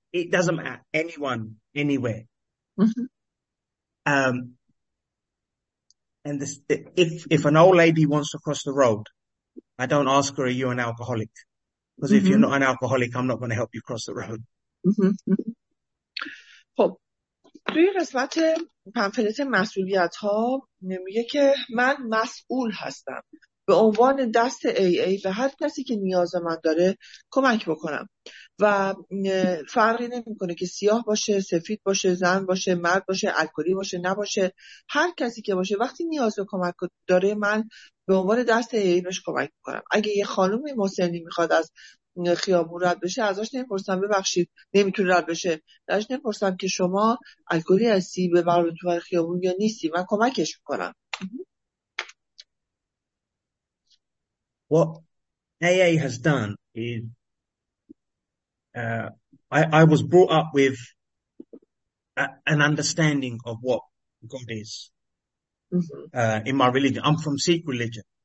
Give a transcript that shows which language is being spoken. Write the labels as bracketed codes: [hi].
[en] It doesn't matter, anyone, anywhere. And this, if an old lady wants to cross the road, I don't ask her, are you an alcoholic? Because if you're not an alcoholic, I'm not going to help you cross the road. [fa] خب، توی قسمت پنفلت مسئولیت ها میگه که من مسئول هستم به عنوان دست AA به هر کسی که نیاز من داره کمک بکنم، و فرقی نمیکنه که سیاه باشه، سفید باشه، زن باشه، مرد باشه، الکلی باشه، نباشه، هر کسی که باشه وقتی نیاز به کمک داره من به عنوان دست AA بهش کمک میکنم. اگه یه خانومی مسنی میخواد از خیابون رد بشه، ازش نمیپرسم ببخشید نمیتونه رد بشه، ازش نمیپرسم که شما الکلی هستی به برابر تو خیابون یا نیستی، من کمکش میکنم. [en] What AA has done is, I was brought up with an understanding of what God is in my religion. I'm from Sikh religion.